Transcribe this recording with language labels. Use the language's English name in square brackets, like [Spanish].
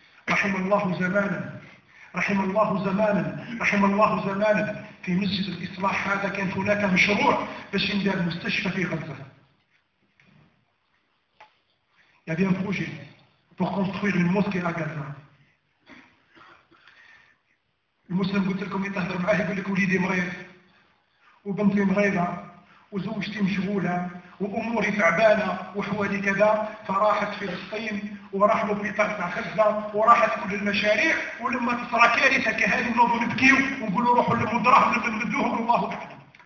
[Arabic] Rahimallahu Zamanan, Rahimallahu Zamanan, Rahimallahu Zamanan, في مسجد الإصلاح هذا كان هناك مشروع باش ندير مستشفى في غزة. [French] Il y avait un projet pour construire une mosquée à Gaza. Le musulman [Arabic] قلت لكم يتهضر معايا يقول لك وليدي مريض وبنتي مريضة وزوجتي مشغولة وأموري تعبانة وحوالي كذا فراحت فلسطين وراحوا بيطار تاع غزة وراحت كل المشاريع ولما تصرى كارثة كهذه نوضوا نبكيو ونقولوا روحوا للمدراهم اللي بنمدوهم الله أكبر.